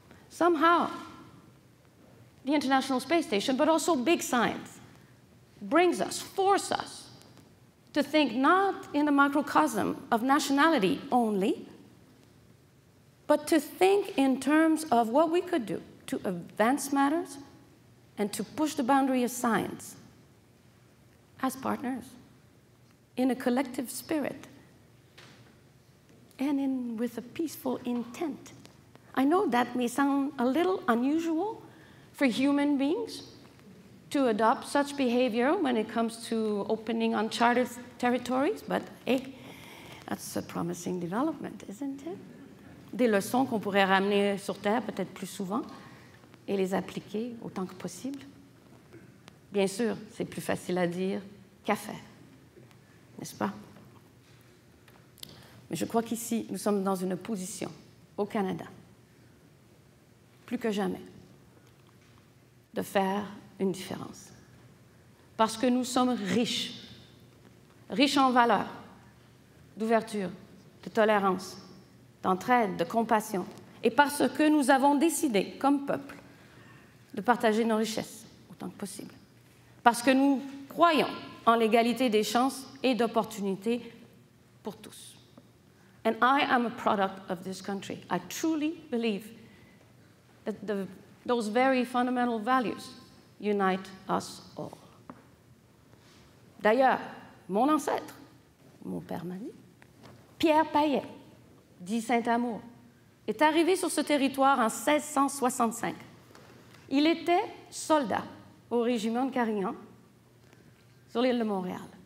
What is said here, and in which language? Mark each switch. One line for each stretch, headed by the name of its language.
English: Somehow, the International Space Station, but also big science, brings us, force us, to think not in the microcosm of nationality only, but to think in terms of what we could do to advance matters and to push the boundary of science as partners, in a collective spirit, and with a peaceful intent. I know that may sound a little unusual for human beings to adopt such behavior when it comes to opening uncharted territories, but hey, that's a promising development, isn't it?
French: Des leçons qu'on pourrait ramener sur Terre peut-être plus souvent et les appliquer autant que possible. Bien sûr, c'est plus facile à dire qu'à faire, n'est-ce pas? Mais je crois qu'ici, nous sommes dans une position, au Canada, plus que jamais, de faire une différence. Parce que nous sommes riches, riches en valeurs, d'ouverture, de tolérance, d'entraide, de compassion, et parce que nous avons décidé, comme peuple, de partager nos richesses autant que possible. Parce que nous croyons en l'égalité des chances et d'opportunités pour tous.
English: And I am a product of this country. I truly believe that those very fundamental values unite us all.
French: D'ailleurs, mon ancêtre, mon père m'a dit, Pierre Payet, dit Saint-Amour, est arrivé sur ce territoire en 1665. Il était soldat au régiment de Carignan sur l'île de Montréal.